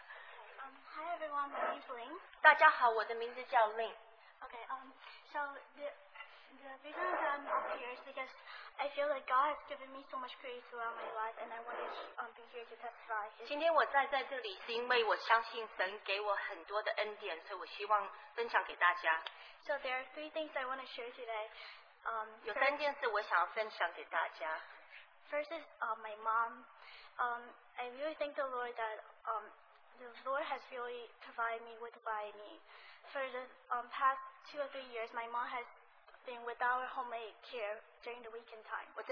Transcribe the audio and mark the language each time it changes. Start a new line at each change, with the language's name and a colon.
English: Okay, so the reason I'm up here is because I feel like God has given me so much grace throughout my life, and I wanted to be here to testify.
Chinese: 今天我站在这里是因为我相信神给我很多的恩典, 所以我希望分享给大家。
English: So there are three things I want to share today.
Chinese: 有三件事我想要分享给大家。
English: First is my mom. I really thank the Lord that the Lord has really provided me with me. For the past 2 or 3 years, my mom has been without homemade care during the weekend time.